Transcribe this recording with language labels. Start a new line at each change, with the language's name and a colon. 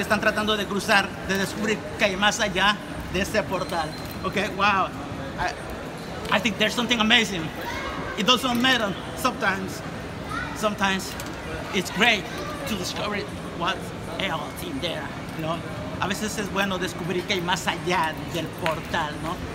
Spanish: Están tratando de cruzar, de descubrir que hay más allá de ese portal.
English: Okay, wow. I think there's something amazing. It doesn't matter. Sometimes it's great to discover what else in there, you know?
Spanish: A veces es bueno descubrir que hay más allá del portal, ¿no?